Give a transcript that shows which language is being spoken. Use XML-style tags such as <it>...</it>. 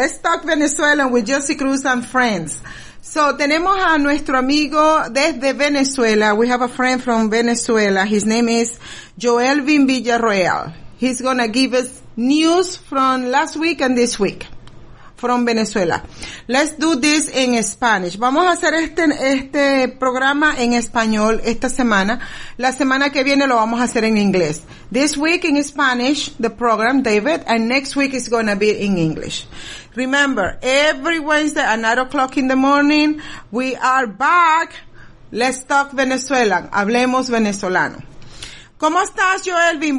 <en>Let's Talk Venezuela with Josie Cruz and friends. So,</en> <es>tenemos a nuestro amigo desde Venezuela.</es> <en>We have a friend from Venezuela. His name is Joelvin Villarreal. He's going to give us news from last week and this week from Venezuela. Let's do this in Spanish.</en> <es>Vamos a hacer este programa en español esta semana. La semana que viene lo vamos a hacer en inglés.</es> <en>This week in Spanish, the program, David, and next week is going to be in English. Remember, every Wednesday at 9 o'clock in the morning, we are back. Let's talk Venezuelan.</en> <es>Hablemos venezolano. ¿Cómo estás, Joelvin?</es>